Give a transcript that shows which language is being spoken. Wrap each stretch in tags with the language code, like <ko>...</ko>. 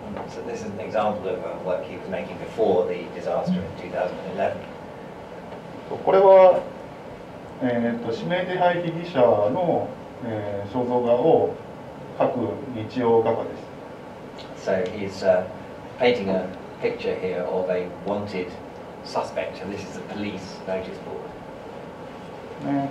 <en>So this is an example of work he was making before the disaster in 2011.</en> <ja>これは、指名手配被疑者の肖像画を描く日曜画家です。</ja> <en>So he's painting a picture here of a wanted suspect, and this is a police notice board.</en>